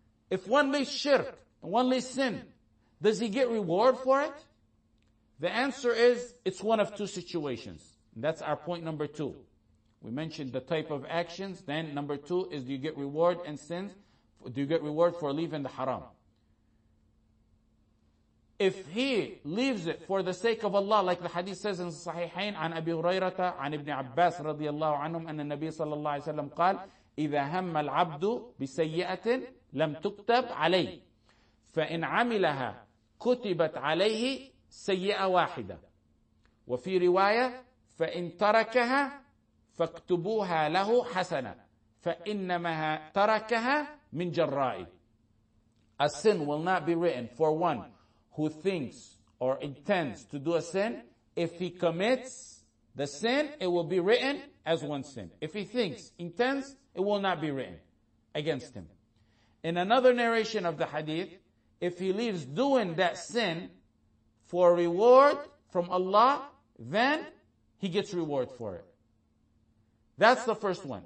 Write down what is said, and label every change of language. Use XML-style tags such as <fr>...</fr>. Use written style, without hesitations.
<en>If one leaves shirk, one leaves sin, does he get reward for it? The answer is, it's one of two situations. That's our point number two. We mentioned the type of actions. Then number two is, do you get reward and sins? Do you get reward for leaving the haram? If he leaves it for the sake of Allah, like the hadith says in Sahihain,</en> <ar>عن أبي هريرة عن ابن عباس رضي الله عنهم أن النبي صلى الله عليه وسلم قال إذا هم العبد بسيئة لم تكتب عليه فإن عملها كتبت عليه سيئة واحدة وفي رواية فإن تركها فاكتبوها له حسنة فإنما تركها من جرائه.</ar> <en>A sin will not be written for one who thinks or intends to do a sin. If he commits the sin, it will be written as one sin. If he thinks, intends, it will not be written against him. In another narration of the hadith, if he leaves doing that sin for reward from Allah, then he gets reward for it. That's the first one.</en>